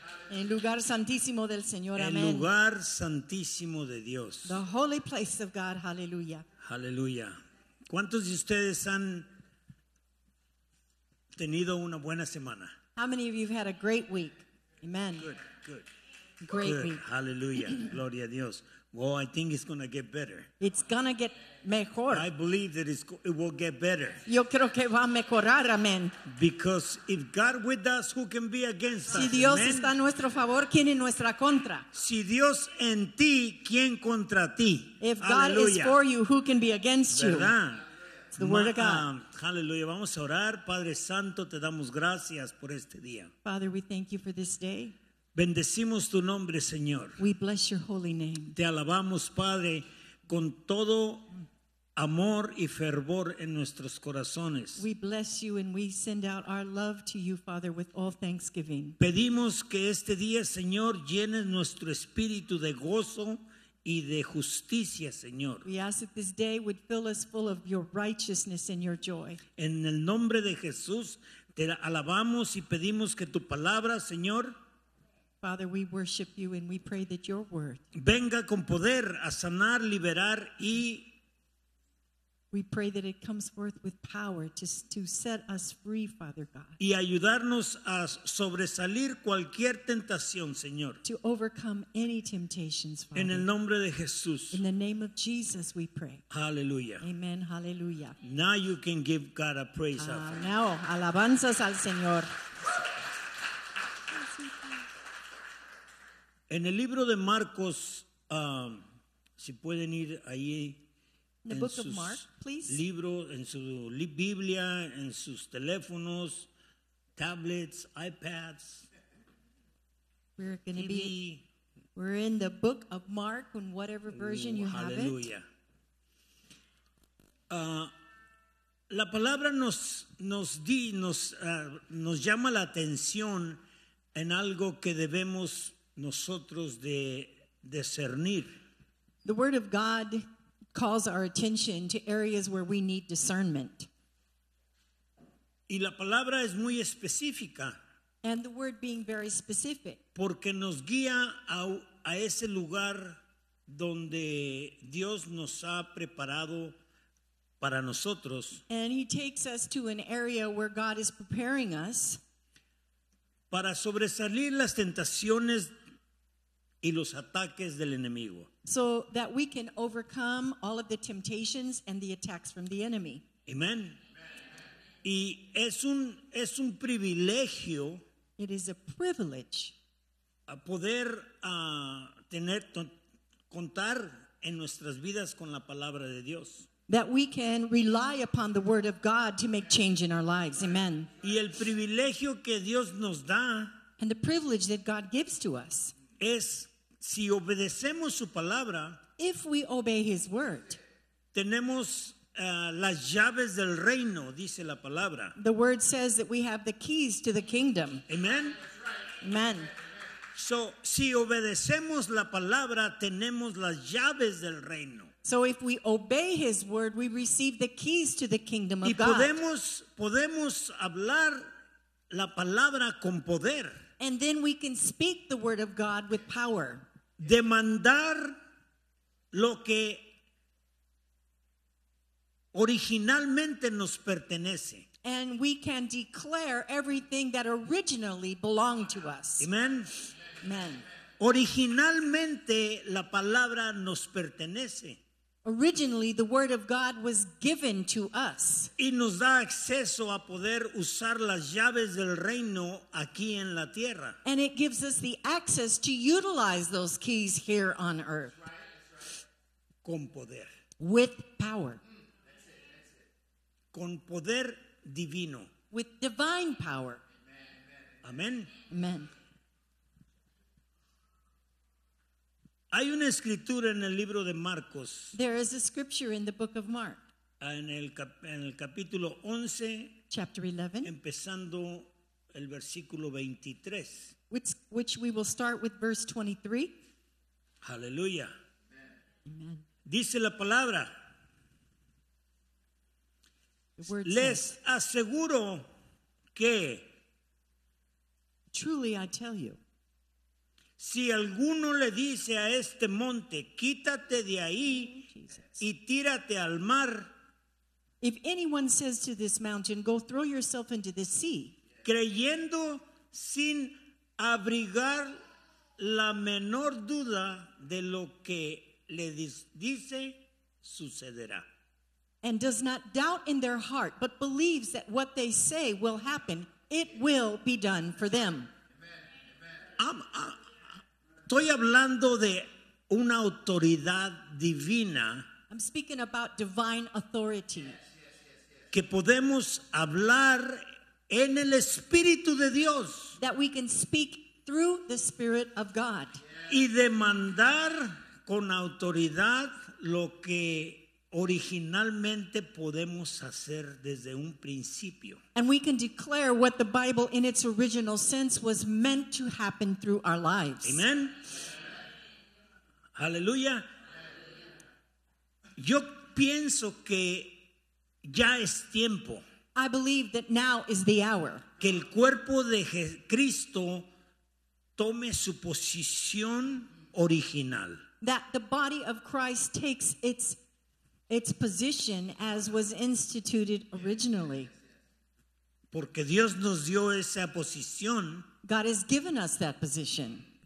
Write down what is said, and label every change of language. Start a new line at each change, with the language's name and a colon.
Spanish: En lugar santísimo del Señor. Amén. En lugar santísimo de Dios.
English: The holy place of God. Hallelujah. Hallelujah.
Spanish: ¿Cuántos de ustedes han tenido una buena semana?
English: How many of you have had a great week? Amen. Good, good. Great good. Week.
Spanish: Hallelujah. Gloria a Dios.
English: Well, I think it's going to get better. It's going to get
Spanish: mejor.
English: I believe that it will get better.
Spanish: Yo creo que va a mejorar, amen.
English: Because if God with us, who can be against
Spanish: si
English: us?
Spanish: Si Dios amen. Está a nuestro favor, ¿quién en nuestra contra? Si Dios en ti, ¿quién contra ti?
English: If God hallelujah. Is for you, who can be against
Spanish: ¿verdad?
English: You? It's the word of God.
Spanish: Hallelujah. Vamos a orar. Padre Santo, te damos gracias por este día.
English: Father, we thank you for this day.
Spanish: Bendecimos tu nombre, Señor.
English: We bless your holy name.
Spanish: Te alabamos, Padre, con todo amor y fervor en nuestros corazones.
English: We bless you and we send out our love to you, Father, with all thanksgiving.
Spanish: Pedimos que este día, Señor, llene nuestro espíritu de gozo y de justicia, Señor.
English: We ask that this day would fill us full of your righteousness and your joy.
Spanish: En el nombre de Jesús, te alabamos y pedimos que tu palabra, Señor,
English: Father, we worship you and we pray that your word
Spanish: venga con poder a sanar, liberar y
English: we pray that it comes forth with power to set us free, Father God.
Spanish: Y ayudarnos a sobresalir cualquier tentación, Señor.
English: To overcome any temptations, Father.
Spanish: En el nombre de Jesús.
English: In the name of Jesus, we pray. Hallelujah. Amen. Hallelujah. Now you can give God a praise.
Spanish: Now, alabanzas al Señor. En el libro de Marcos, si pueden ir ahí en su libro, en su Biblia, en sus teléfonos, tablets, iPads,
English: we're gonna TV. We're in the book of Mark in whatever version you have it. Hallelujah.
Spanish: La palabra nos llama la atención en algo que debemos nosotros de discernir.
English: The word of God calls our attention to areas where we need discernment.
Spanish: Y la palabra es muy específica.
English: And the word being very specific.
Spanish: Porque nos guía a ese lugar donde Dios nos ha preparado para nosotros.
English: And he takes us to an area where God is preparing us.
Spanish: Para sobresalir las tentaciones y los ataques del enemigo.
English: So that we can overcome all of the temptations and the attacks from the enemy.
Spanish: Amen. Y es un privilegio.
English: It is a privilege.
Spanish: A poder tener contar en nuestras vidas con la palabra de Dios.
English: That we can rely upon the word of God to make change in our lives. Amen.
Spanish: Y el privilegio que Dios nos da.
English: And the privilege that God gives to us.
Spanish: Es si obedecemos su palabra,
English: if we obey his word,
Spanish: tenemos las llaves del reino, dice la palabra.
English: The word says that we have the keys to the kingdom. Amen. Amen.
Spanish: So, si obedecemos la palabra, tenemos las llaves del reino.
English: So, if we obey his word, we receive the keys to the kingdom of
Spanish: God. Y podemos hablar la palabra con poder.
English: And then we can speak the word of God with power.
Spanish: Demandar lo que originalmente nos pertenece.
English: And we can declare everything that originally belonged to us. Amen. Amen.
Spanish: Originalmente la palabra nos pertenece.
English: Originally, the word of God was given to us.
Spanish: Y nos da acceso a poder usar las llaves del reino aquí en la tierra.
English: And it gives us the access to utilize those keys here on earth. That's right.
Spanish: Con poder.
English: With power. That's it.
Spanish: Con poder divino.
English: With divine power. Amen. Amen. Amen.
Spanish: Hay una escritura en el libro de Marcos.
English: There is a scripture in the book of Mark.
Spanish: En el capítulo 11.
English: Chapter 11.
Spanish: Empezando el versículo 23.
English: Which we will start with verse 23. Hallelujah. Amen.
Spanish: Dice la palabra. Les aseguro que.
English: Truly I tell you.
Spanish: Si alguno le dice a este monte, quítate de ahí y tírate al mar.
English: If anyone says to this mountain, go throw yourself into the sea.
Spanish: Creyendo sin abrigar la menor duda de lo que le dice, sucederá.
English: And does not doubt in their heart, but believes that what they say will happen, it will be done for them. Amen. Amen.
Spanish: Estoy hablando de una autoridad divina.
English: I'm speaking about divine authority. Yes, yes, yes, yes.
Spanish: Que podemos hablar en el Espíritu de Dios.
English: That we can speak through the Spirit of God. Yes.
Spanish: Y demandar con autoridad lo que originalmente podemos hacer desde un principio.
English: And we can declare what the Bible in its original sense was meant to happen through our lives.
Spanish: Amen. Aleluya. Yo pienso que ya es tiempo.
English: I believe that now is the hour.
Spanish: Que el cuerpo de Cristo tome su posición original.
English: That the body of Christ takes its position as was instituted originally.
Spanish: Porque Dios nos dio esa posición.
English: God has given us that position.